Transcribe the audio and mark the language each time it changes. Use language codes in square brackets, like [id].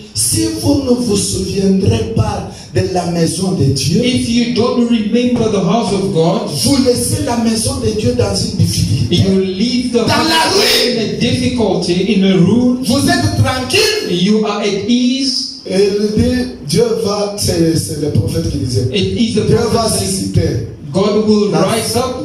[fr] si vous ne vous souviendrez pas de la maison de Dieu, [en] if you don't remember the house of God, [fr] vous laissez la maison de Dieu dans une difficulté. [en] You leave the [fr] dans la ruine, [en] in a difficulty, in a ruin. [fr] Vous êtes tranquille. [en] You are at ease. [fr] Et le Dieu va, c'est le prophète qui disait. [en] It is the [fr] Dieu va susciter. [en] God will rise up